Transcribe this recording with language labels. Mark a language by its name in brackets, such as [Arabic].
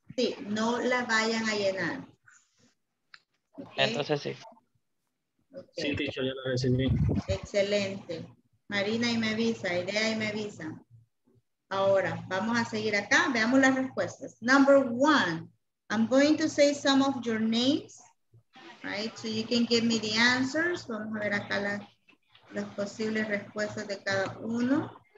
[Spanish] Sí, no la vayan a llenar. Okay. Entonces sí. Okay. Sí, teacher, ya lo recibí. Excelente. Marina y me avisa, Idea y me avisa. Ahora, vamos a seguir acá, veamos las respuestas. [English] Number one. I'm going to say some of your names, right? So you can give me the answers. [Spanish] Vamos a ver acá las posibles respuestas de cada uno.